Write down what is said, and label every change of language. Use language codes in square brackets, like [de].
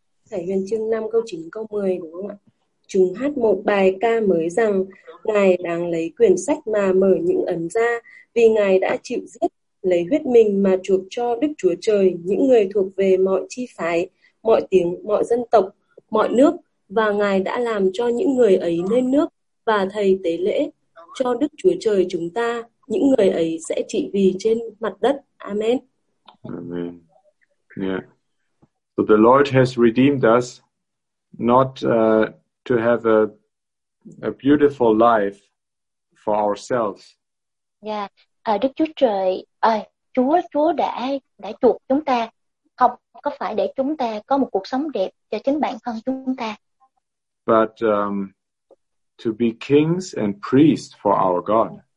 [vi] Khải Huyền chương 5 câu 9 câu 10 đúng không ạ? Chúng hát một bài ca mới rằng: Ngài đang lấy quyển sách mà mở những ấn ra, vì Ngài đã chịu giết lấy huyết mình mà chuộc cho Đức Chúa Trời những người thuộc về mọi chi phái, mọi tiếng, mọi dân tộc, mọi nước, và Ngài đã làm cho những người ấy nên nước và thầy tế lễ cho Đức Chúa Trời chúng ta. Những người ấy sẽ trị vì trên mặt đất. Amen. Amen. Yeah. [en] So the Lord has redeemed us not to have a beautiful life for ourselves. Yeah. [vi] Đức Chúa Trời ơi, Chúa đã chuộc chúng ta, không có phải để chúng ta có một cuộc sống đẹp cho chính bản thân chúng ta. [en] But to be kings and priests for our God.